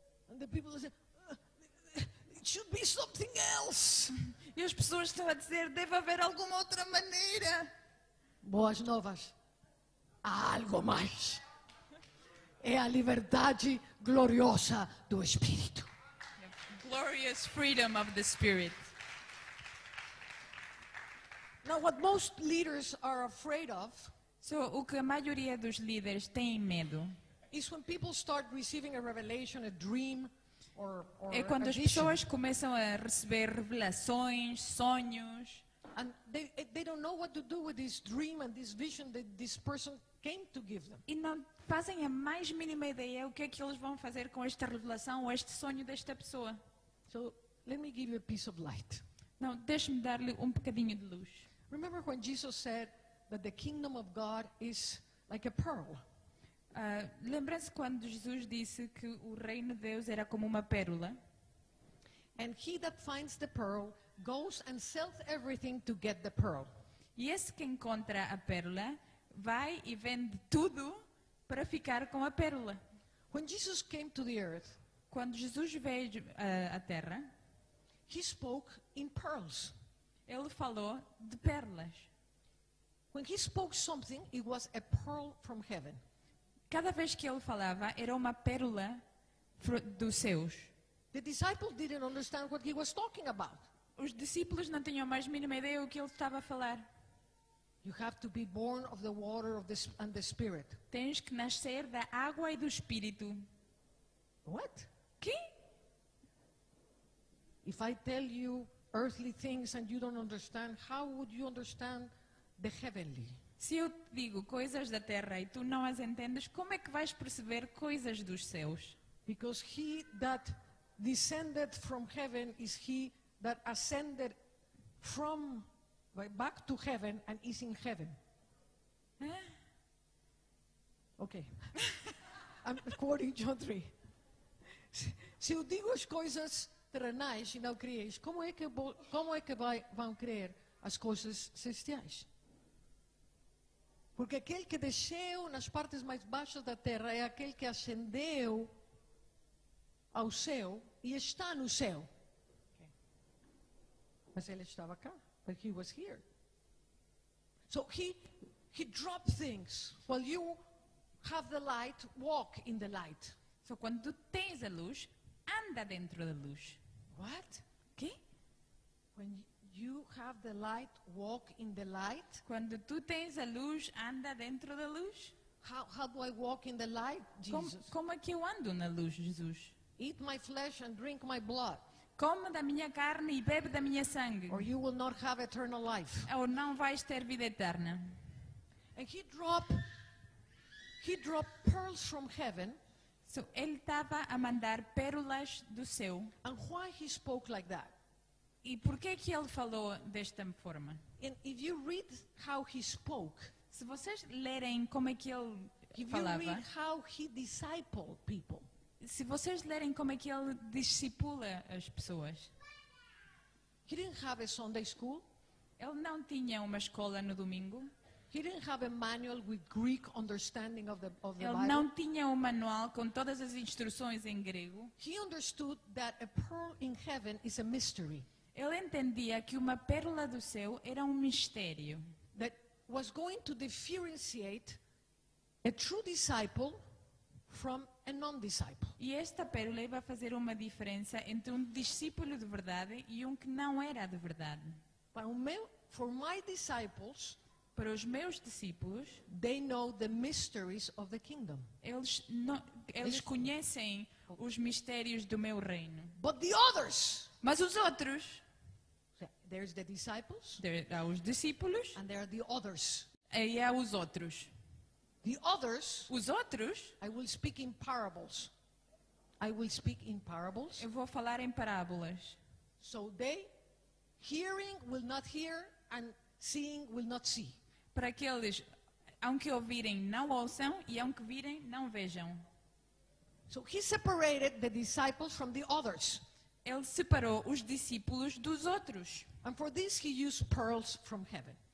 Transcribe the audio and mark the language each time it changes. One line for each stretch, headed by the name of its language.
English: And the people say, it should be something else.
Portuguese: E as pessoas estão a dizer, deve haver alguma outra maneira. Boas novas. Há algo mais. É a liberdade gloriosa do Espírito.
English: Glorious freedom of the Spirit. Now, what most leaders are afraid of,
Portuguese: so, o que a maioria dos líderes tem medo,
English: is when people start receiving a revelation, a dream, or
Portuguese: é quando as pessoas começam a receber revelações, sonhos,
English: and they don't know what to do with this dream and this vision that this person came to give them.
Portuguese: E não fazem a mais mínima ideia o que é que eles vão fazer com esta revelação ou este sonho desta pessoa.
English: So, let me give you a piece of light.
Portuguese: Não, deixe-me dar-lhe um bocadinho de luz.
English: Remember when Jesus said that the kingdom of God is like a pearl?
Portuguese: Lembra-se quando Jesus disse que o reino de Deus era como uma pérola?
English: And he that finds the pearl goes and sells everything to get the pearl.
Portuguese: E esse que encontra a pérola vai e vende tudo para ficar com a pérola.
English: When Jesus came to the earth,
Portuguese: quando Jesus veio à terra,
English: he spoke in pearls.
Portuguese: Ele falou de pérolas.
English: When he spoke something, it was a pearl from heaven.
Portuguese: Cada vez que ele falava, era uma pérola dos céus.
English: The disciples didn't understand what he was talking about.
Portuguese: Os discípulos não tinham a mais mínima ideia o que ele estava a falar.
English: You have to be born of the water and the spirit.
Portuguese: Tens que nascer da água e do espírito.
English: What?
Portuguese: Que?
English: If I tell you earthly things and you don't understand, how would you understand the heavenly?
Portuguese: Se eu te digo coisas da terra e tu não as entendes, como é que vais perceber coisas dos céus?
English: Because he that descended from heaven is he that ascended from back to heaven and is in heaven. Okay. I'm quoting John 3.
Portuguese: Se eu digo as coisas terrenais e não creis, como é que vão crer as coisas celestiais? Porque aquele que desceu nas partes mais baixas da terra é aquele que ascendeu ao céu e está no céu. Okay. Mas ele estava cá.
English: But he was here. So he dropped things. While you have the light, walk in the light.
Portuguese: So quando tu tens a luz, anda dentro da luz.
English: What?
Portuguese: Que?
English: When you have the light, walk in the light.
Portuguese: Quando tu tens a luz, anda dentro da luz.
English: How do I walk in the light, Jesus?
Portuguese: Como é que eu ando na luz, Jesus?
English: Eat my flesh and drink my blood.
Portuguese: Come da minha carne e bebe da minha sangue.
English: Or you will not have eternal life.
Portuguese: Ou não vais ter vida eterna.
English: And he dropped pearls from heaven.
Portuguese: So ele estava a mandar pérolas do céu.
English: And why he spoke like that?
Portuguese: E por que que ele falou desta forma?
English: And if you read how he spoke,
Portuguese: se vocês lerem como é que ele falava,
English: if you read how he discipled people,
Portuguese: se vocês lerem como é que ele discipula as pessoas,
English: he didn't have a Sunday school.
Portuguese: Ele não tinha uma escola no domingo.
English: He didn't have a manual with Greek understanding of the
Portuguese: ele Não tinha um manual com todas as instruções em grego.
English: He understood that a pearl in heaven is a mystery.
Portuguese: Ele entendia que uma pérola do céu era um mistério.
English: That was going to differentiate a true disciple from a non-disciple.
Portuguese: E esta pérola ia fazer uma diferença entre um discípulo de verdade e um que não era de verdade.
English: For my disciples,
Portuguese: para os meus discípulos,
English: they know the mysteries of the kingdom.
Portuguese: Eles conhecem os mistérios do meu reino.
English: But the others,
Portuguese: mas os outros,
English: there's the disciples,
Portuguese: há os discípulos,
English: and there are the others.
Portuguese: E há os outros.
English: The others,
Portuguese: os outros,
English: I will speak in parables. I will speak in parables.
Portuguese: Eu vou falar em parábolas.
English: So they, hearing will not hear and seeing will not see.
Portuguese: Para aqueles, aun que ouvirem não ouçam e aun que virem não vejam.
English: So he separated the disciples from the others.
Portuguese: Ele separou os discípulos dos outros.
English: And for this he used pearls from heaven.